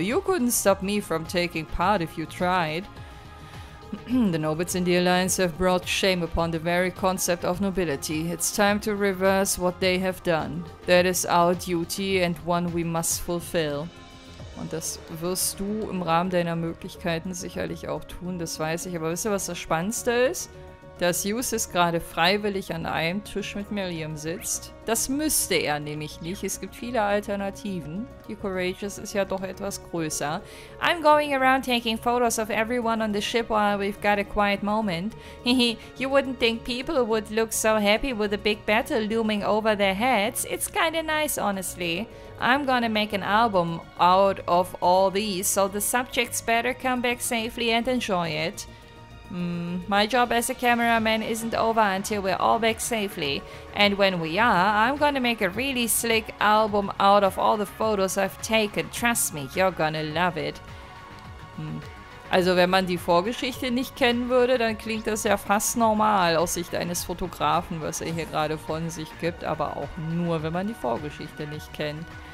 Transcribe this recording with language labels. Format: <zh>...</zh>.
<en>You couldn't stop me from taking part if you tried. The nobles in the Alliance have brought shame upon the very concept of nobility. It's time to reverse what they have done. That is our duty and one we must fulfill.</en> <de>Und das wirst du im Rahmen deiner Möglichkeiten sicherlich auch tun, das weiß ich. Aber wisst ihr, was das Spannendste ist? Dass Jus ist gerade freiwillig an einem Tisch mit Miriam sitzt. Das müsste er nämlich nicht. Es gibt viele Alternativen. Die Courageous ist ja doch etwas größer.</de> <en>I'm going around taking photos of everyone on the ship while we've got a quiet moment. You wouldn't think people would look so happy with a big battle looming over their heads. It's kinda nice, honestly. I'm gonna make an album out of all these, so the subjects better come back safely and enjoy it. My job as a cameraman isn't over until we're all back safely. And when we are, I'm gonna make a really slick album out of all the photos I've taken. Trust me, you're gonna love it.</en> <de>Also, wenn man die Vorgeschichte nicht kennen würde, dann klingt das ja fast normal aus Sicht eines Fotografen, was er hier gerade von sich gibt. Aber auch nur, wenn man die Vorgeschichte nicht kennt.</de>